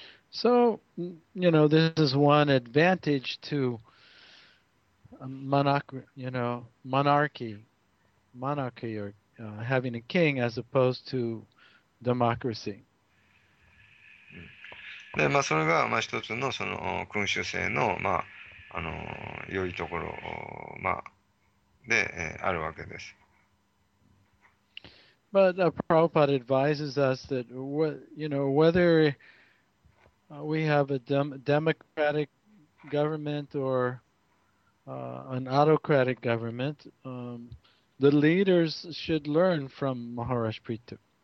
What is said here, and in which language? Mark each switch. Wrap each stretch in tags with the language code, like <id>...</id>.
<en>So, this is one advantage to monarchy or having a king as opposed to democracy.</en> <ja>で、まあ、それが、まあ、一つの、君主制の、まあ、良いところ、まあ、で、あるわけです。</ja> <en>But Prabhupada advises us that whether we have a democratic government or an autocratic government, the leaders should learn from Maharaj Prithu.</en>